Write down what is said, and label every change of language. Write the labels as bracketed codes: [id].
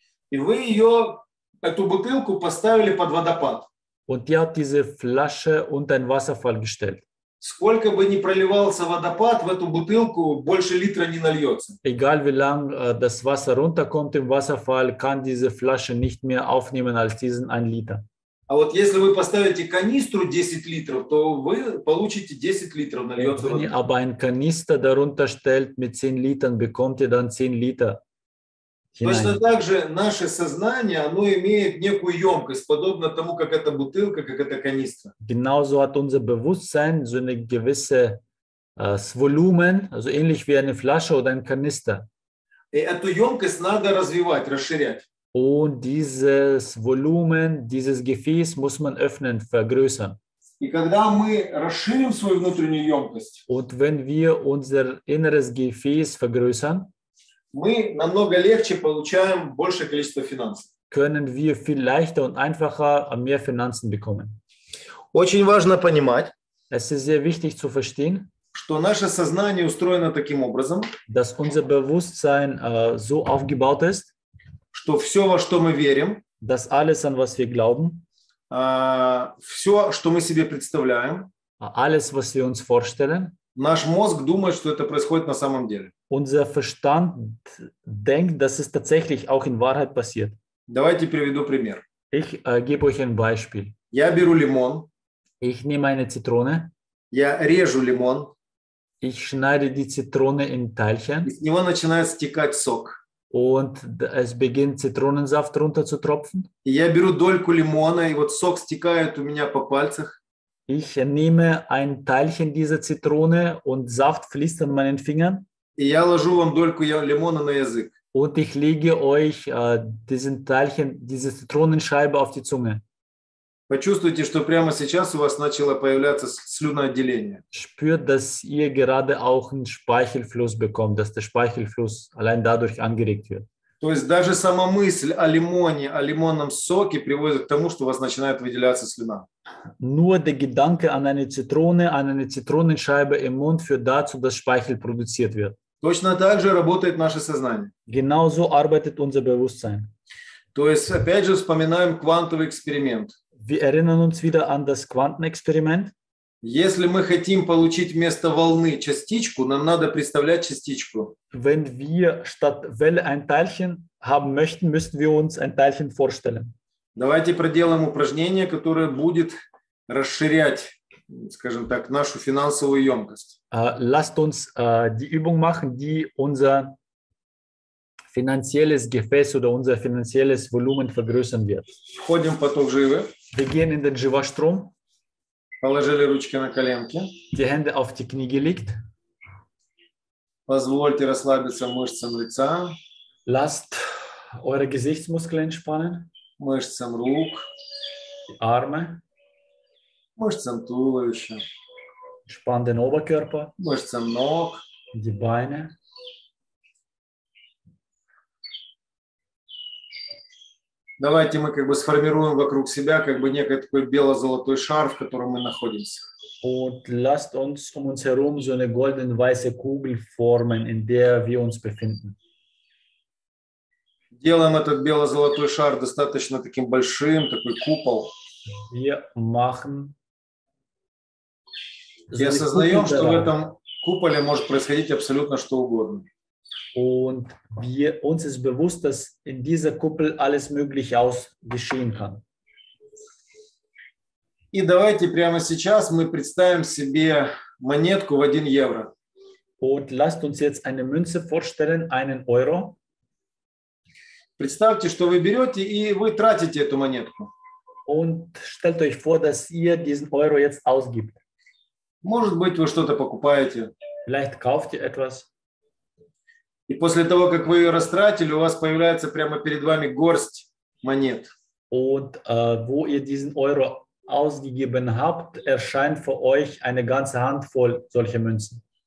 [ru] И вы ее, эту бутылку поставили под водопад. [de] Und ihr habt diese Flasche unter einen Wasserfall gestellt. [ru] Сколько бы ни проливался водопад, в эту бутылку больше литра не нальется. [de] Egal wie lang das Wasser runterkommt im Wasserfall, kann diese Flasche nicht mehr aufnehmen als diesen 1 Liter. [ru] А вот если вы поставите канистру 10 литров, то вы получите 10 литров нальется воды. [de] Wenn ihr aber einen Kanister darunter stellt mit 10 Litern, bekommt ihr dann 10 Liter. [ru] Точно так же наше сознание, оно имеет некую емкость, подобно тому, как эта бутылка, как эта канистра. [de] Genauso hat unser Bewusstsein so eine gewisse Volumen, also ähnlich wie eine Flasche oder ein Kanister. [ru] И эту емкость надо развивать, расширять. [de] Und dieses Volumen, dieses Gefäß muss man öffnen, vergrößern. [ru] И когда мы расширим свою внутреннюю емкость, [de] und wenn wir unser inneres Gefäß vergrößern, [ru] мы намного легче получаем большее количество финансов. [de] Können wir viel leichter und einfacher mehr Finanzen bekommen. [ru] Очень важно понимать, [de] es ist sehr wichtig zu verstehen, [ru] что наше сознание устроено таким образом, [de] dass unser Bewusstsein so aufgebaut ist, [ru] что все, во что мы верим, [de] dass alles, an was wir glauben, [ru] все, что мы себе представляем, [de] alles, was wir uns vorstellen, [ru] наш мозг думает, что это происходит на самом деле. [de] Unser Verstand denkt, dass es tatsächlich auch in Wahrheit passiert. [ru] Давайте приведу пример. [de] Ich gebe euch ein Beispiel. [ru] Я беру лимон. [de] Ich nehme eine Zitrone. [ru] Я режу лимон. [de] Ich schneide die Zitrone in Teilchen. [ru] Из него начинает стекать сок. [de] Und es beginnt Zitronensaft runterzutropfen. [ru] Я беру дольку лимона, и вот сок стекает у меня по пальцах. [de] Ich nehme ein Teilchen dieser Zitrone und Saft fließt an meinen Fingern. [ru] Я ложу вам дольку лимона на язык. [de] Und ich lege euch diesen Teilchen, diese Zitronenscheibe auf die Zunge. [ru] Почувствуйте, что прямо сейчас у вас начало появляться слюноотделение. [de] Spürt, dass ihr gerade auch einen Speichelfluss bekommt, dass der Speichelfluss allein dadurch angeregt wird. [ru] То есть даже сама мысль о лимоне, о лимонном соке приводит к тому, что у вас начинает выделяться слюна. [de] Nur der Gedanke an eine Zitronenscheibe im Mund führt dazu, dass Speichel produziert wird. [ru] Точно так же работает наше сознание. [de] Genauso arbeitet unser Bewusstsein. [ru] То есть опять же вспоминаем квантовый эксперимент. [de] Wir erinnern uns wieder an das Quantenexperiment. [ru] Если мы хотим получить вместо волны частичку, нам надо представлять частичку. [de] Wenn wir statt Welle ein Teilchen haben möchten, müssen wir uns ein Teilchen vorstellen. [ru] Давайте проделаем упражнение, которое будет расширять, скажем так, нашу финансовую емкость. [de] Lasst uns die Übung machen, die unser finanzielles Gefäß oder unser finanzielles Volumen vergrößern wird. [ru] Входим в поток живы. [de] Wir gehen in den Jiva-Strom. [ru] Положили ручки на коленки. [de] Die Hände auf die Knie gelegt. [ru] Позвольте расслабиться мышцам лица. [de] Lasst eure Gesichtsmuskeln entspannen. [ru] Мышцам рук. [de] Arme. [ru] Мышцам туловища. [de] Spann den Oberkörper. [ru] Мышцам ног. [de] Die Beine. [ru] Давайте мы как бы сформируем вокруг себя как бы некий такой бело-золотой шар, в котором мы находимся. [de] Und lasst uns um uns herum so eine golden-weiße Kugel formen, in der wir uns befinden. [ru] Делаем этот бело-золотой шар достаточно таким большим, такой купол. [de] Wir machen... [ru] И осознаем, что в этом куполе может происходить абсолютно что угодно. [de] Und wir, uns ist bewusst, dass in dieser Kuppel alles mögliche ausgeschehen kann. [ru] И давайте прямо сейчас мы представим себе монетку в 1 евро. [de] Und lasst uns jetzt eine Münze vorstellen, einen Euro. [ru] Представьте, что вы берете и вы тратите эту монетку. [de] Und stellt euch vor, dass ihr diesen Euro jetzt ausgibt. [ru] Может быть, вы что-то покупаете. [de] Vielleicht kauft ihr etwas. [ru] И после того, как вы ее растратили, у вас появляется прямо перед вами горсть монет. [de] Und wo ihr diesen Euro ausgegeben habt, erscheint vor euch eine ganze Handvoll solcher Münzen.